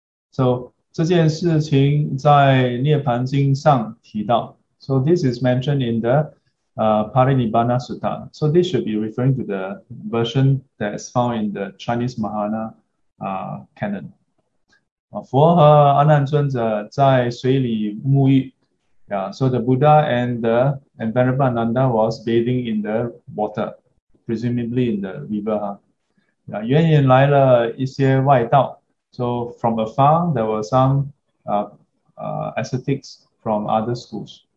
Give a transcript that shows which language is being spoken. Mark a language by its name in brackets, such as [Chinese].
[English] So, [Chinese] 这件事情在《涅槃经》上提到, [English] so this is mentioned in the Parinibbana Sutta. So this should be referring to the version that is found in the Chinese Mahayana canon. [Chinese] 佛和阿难尊者在水里沐浴。 [English] Yeah, so the Buddha and the Venerable Ananda was bathing in the water, presumably in the river. [Chinese] Huh? Yeah, 远远来了一些外道。 [English] So from afar, there were some ascetics from other schools.